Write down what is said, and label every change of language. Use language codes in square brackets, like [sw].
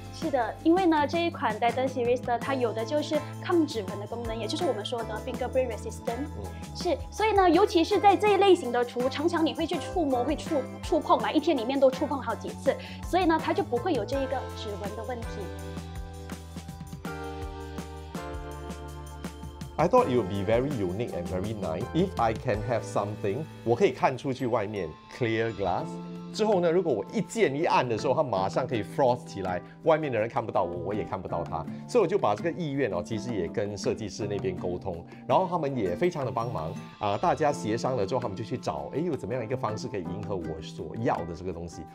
[zh] 是的，因为呢，这一款 Dasmond Series 呢，它有的就是抗指纹的功能，也就是我们说的 [en] fingerprint resistant。 [zh] 是，所以呢，尤其是在这一类型的厨，常常你会去触摸、会触碰嘛，一天里面都触碰好几次，所以呢，它就不会有这一个指纹的问题。 [en] I thought it would be very unique and very nice if I can have something. [zh] 我可以看出去外面 [en] clear glass. [zh] 之后呢，如果我一键一按的时候，它马上可以 frost 起来，外面的人看不到我，我也看不到它。所以我就把这个意愿哦，其实也跟设计师那边沟通，然后他们也非常的帮忙啊、大家协商了之后，他们就去找，哎，有怎么样一个方式可以迎合我所要的这个东西。